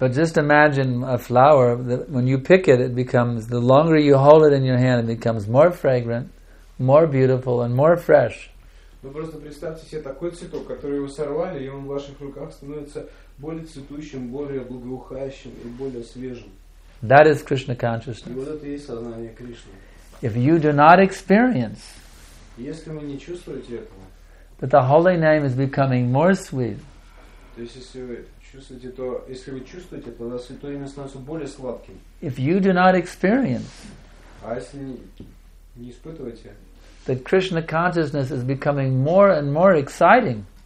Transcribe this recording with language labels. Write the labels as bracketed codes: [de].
[en] But just imagine a flower, that when you pick it, it becomes, the longer you hold it in your hand, it becomes more fragrant, more beautiful, and more fresh. [ru] Ну просто представьте себе такой цветок, который вы сорвали, и он в ваших руках становится более цветущим, более благоухающим и более свежим. [en] That is Krishna consciousness. [ru] И вот это и есть сознание Кришны. [en] If you do not experience, [ru] если вы не чувствуете этого, [en] that the holy name is becoming more sweet. [ru] То есть если вы чувствуете, то если вы чувствуете, тогда святое имя становится более сладким. [en] If you do not experience, [ru] а если не испытываете, [en] that Krishna consciousness is becoming more and more exciting.